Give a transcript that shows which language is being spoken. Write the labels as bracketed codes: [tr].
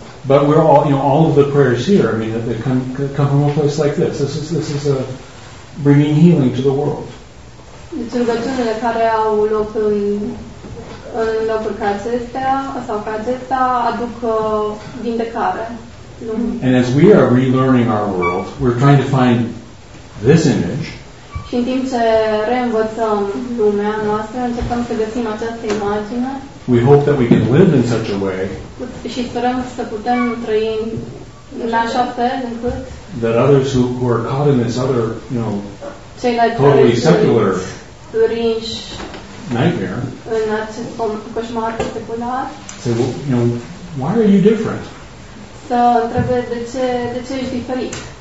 [en] But we're all, you know, all of the prayers here, I mean, they come from a place like this. This is a bringing healing to the world. [ro] Deci rugăciunile care au loc în locuri ca acestea sau ca acestea aduc vindecare. [en] And as we are relearning our world, we're trying to find this image. [ro] Și în timp ce reînvățăm lumea noastră, începem să găsim această imagine. [en] We hope that we can live in such a way. [ro] Și sperăm să putem trăi în așa fel încât. [en] That others who are caught in this other, you know, [ro] ceilalți [en] totally secular durinși nightmare. [ro] În acest coșmar secular. [en] Say, well, you know, why are you different? [ro] Să întrebe de ce ești diferit.